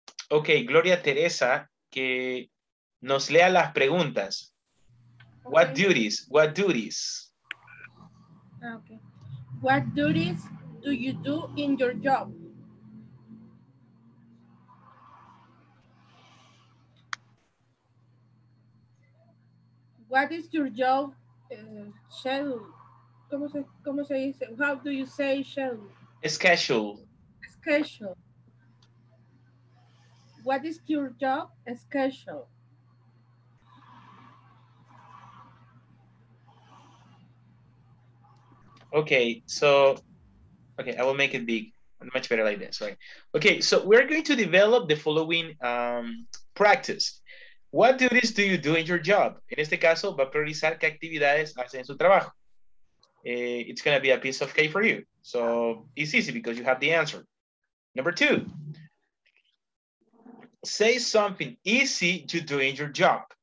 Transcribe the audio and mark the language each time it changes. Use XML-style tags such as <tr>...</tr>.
<es>Okay, Gloria Teresa, que nos lea las preguntas.</es> <en>Okay. What duties? Okay. What duties do you do in your job? What is your job schedule?</en> <es>¿Cómo se dice?</es> <en>How do you say schedule? Schedule. What is your job schedule? Okay, so, okay, I will make it big, much better like this, right? Okay, so we're going to develop the following practice. What duties do you do in your job?</en> <es>En este caso, va a priorizar qué actividades hace en su trabajo.</es> <en>It's gonna be a piece of cake for you. So it's easy because you have the answer. Number two, say something easy to do in your job.</en>